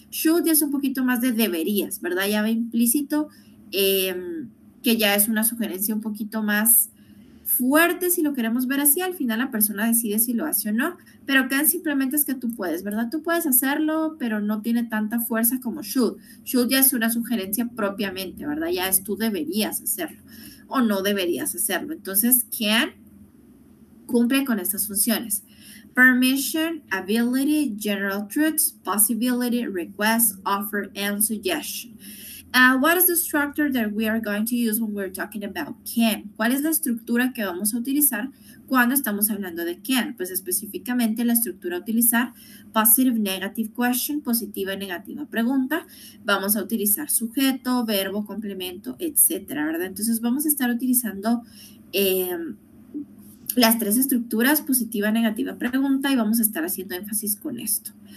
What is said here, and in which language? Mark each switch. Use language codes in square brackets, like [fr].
[es] Should ya es un poquito más de deberías, ¿verdad? Ya va implícito que ya es una sugerencia un poquito más fuerte, si lo queremos ver así. Al final la persona decide si lo hace o no, pero Ken simplemente es que tú puedes, ¿verdad? Tú puedes hacerlo, pero no tiene tanta fuerza como should. Should ya es una sugerencia propiamente, ¿verdad? Ya es tú deberías hacerlo o no deberías hacerlo. Entonces, Ken cumple con estas funciones. [en] Permission, ability, general truths, possibility, request, offer, and suggestion. What is the structure that we are going to use when we're talking about can? [es] ¿Cuál es la estructura que vamos a utilizar cuando estamos hablando de can? Pues específicamente la estructura a utilizar, positive negative question, positiva y negativa pregunta. Vamos a utilizar sujeto, verbo, complemento, etcétera, ¿verdad? Entonces vamos a estar utilizando las tres estructuras, positiva, negativa pregunta, y vamos a estar haciendo énfasis con esto.